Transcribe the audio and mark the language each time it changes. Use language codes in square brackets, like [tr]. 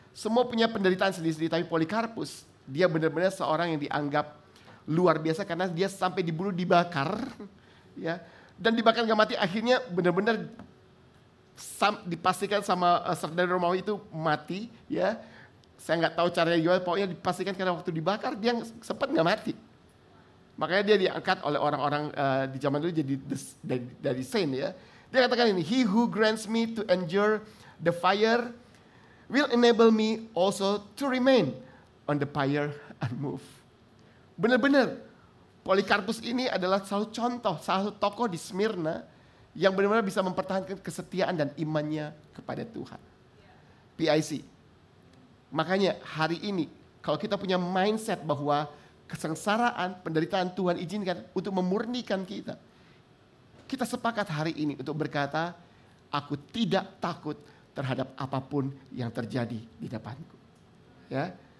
[id] semua punya penderitaan sendiri-sendiri, tapi Polikarpus, dia benar-benar seorang yang dianggap luar biasa karena dia sampai dibunuh, dibakar, ya, dan dibakar gak mati, akhirnya benar-benar dipastikan sama saudara Romawi itu mati, ya. Saya gak tahu caranya gimana, pokoknya dipastikan karena waktu dibakar dia sempat gak mati. Makanya dia diangkat oleh orang-orang di zaman dulu jadi dari saint, ya. Dia katakan ini, [en] he who grants me to endure the fire will enable me also to remain on the pyre and move. [id] Benar-benar, Polikarpus ini adalah salah satu contoh, salah satu tokoh di Smyrna yang benar-benar bisa mempertahankan kesetiaan dan imannya kepada Tuhan. PIC. Makanya hari ini, kalau kita punya mindset bahwa kesengsaraan, penderitaan Tuhan izinkan untuk memurnikan kita, kita sepakat hari ini untuk berkata, aku tidak takut terhadap apapun yang terjadi di depanku. Ya.